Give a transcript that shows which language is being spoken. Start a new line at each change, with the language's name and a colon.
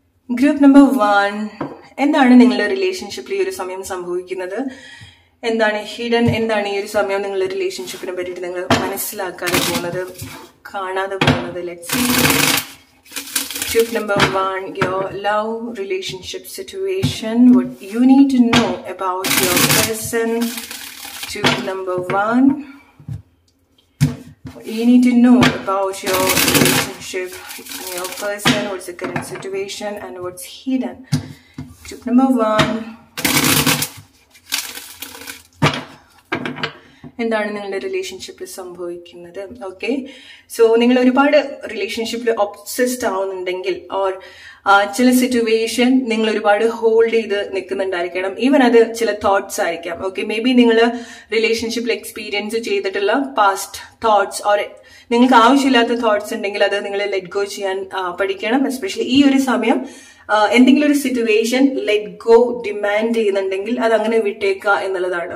Malayalam: Group number one, എന്താണ് നിങ്ങളുടെ റിലേഷൻഷിപ്പിൽ ഈ ഒരു സമയം സംഭവിക്കുന്നത്, എന്താണ് ഹിഡൻ, എന്താണ് ഈ ഒരു സമയം നിങ്ങളുടെ റിലേഷൻഷിപ്പിനെ പറ്റിയിട്ട് നിങ്ങൾ മനസ്സിലാക്കാതെ പോകുന്നത്, കാണാതെ പോകുന്നത്.
English: Let's see group number one, your love relationship situation, what you need to know about your person. ഗ്രൂപ്പ് number വൺ, you need to know about your relationship and your person, what's the current situation and what's hidden. Group number one,
Malayalam: endana ningalude relationship il sambhavikkunnathu. Okay, so ningal oru paadu relationship il obsessed aavunnundengil or ചില situation നിങ്ങൾ ഒരുപാട് hold ചെയ്ത് നിൽക്കുന്നുണ്ടായിരിക്കണം. Even അത് ചില thoughts ആയിരിക്കാം. Okay, may be നിങ്ങൾ റിലേഷൻഷിപ്പിൽ experience ചെയ്തിട്ടുള്ള പാസ്റ്റ് തോട്ട്സ് ഓർ നിങ്ങൾക്ക് ആവശ്യമില്ലാത്ത തോട്ട്സ് ഉണ്ടെങ്കിൽ അത് നിങ്ങൾ ലെറ്റ് ഗോ ചെയ്യാൻ പഠിക്കണം. എസ്പെഷ്യലി ഈ ഒരു സമയം എന്തെങ്കിലും ഒരു സിറ്റുവേഷൻ ലെറ്റ് ഗോ ഡിമാൻഡ് ചെയ്യുന്നുണ്ടെങ്കിൽ അത് അങ്ങനെ വിട്ടേക്കുക എന്നുള്ളതാണ്.